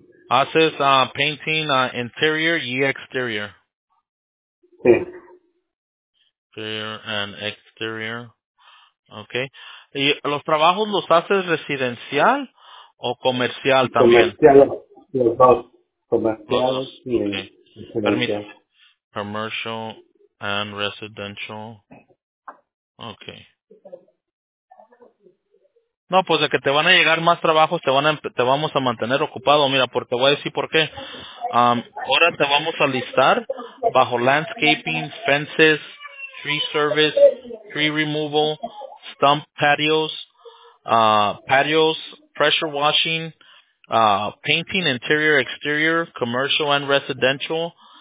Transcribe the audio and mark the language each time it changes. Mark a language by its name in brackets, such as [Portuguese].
[Spanish] Haces [English] painting interior [Spanish] y exterior. Sí. [English] Interior and exterior. Okay. [Spanish] ¿Y los trabajos los haces residencial o comercial también? Comercial, los dos. Comercial. Los dos. Okay. Permítame. [English] Commercial and residential. Okay. [Spanish] No, pues de que te van a llegar más trabajos, te vamos a mantener ocupado. Mira, porque voy a decir por qué. Ahora te vamos a listar bajo [English] landscaping, fences, tree service, tree removal, stump patios, patios, pressure washing, painting, interior, exterior, commercial and residential.